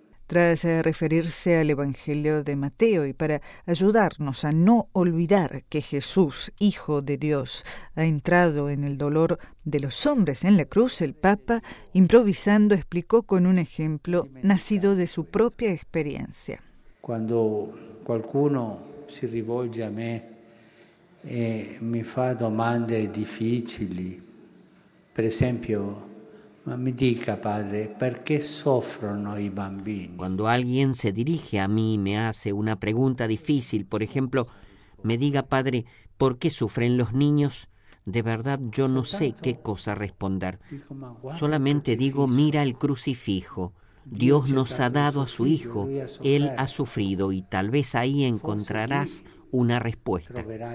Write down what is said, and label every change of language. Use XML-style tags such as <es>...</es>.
<es>Tras referirse al Evangelio de Mateo y para ayudarnos a no olvidar que Jesús, Hijo de Dios, ha entrado en el dolor de los hombres en la cruz, el Papa, improvisando, explicó con un ejemplo nacido de su propia experiencia.</es> <it>Cuando qualcuno si rivolge a me e mi fa domande difficili, per esempio, ma mi dica padre, perché soffrono i bambini?</it> <es>Quando alguien se dirige a mí y me hace una pregunta difícil, por ejemplo, me diga padre, ¿por qué sufren los niños? De verdad yo no sé qué cosa responder. Solamente digo, mira el crucifijo. Dios nos ha dado a su hijo, él ha sufrido y tal vez ahí encontrarás una respuesta.</es>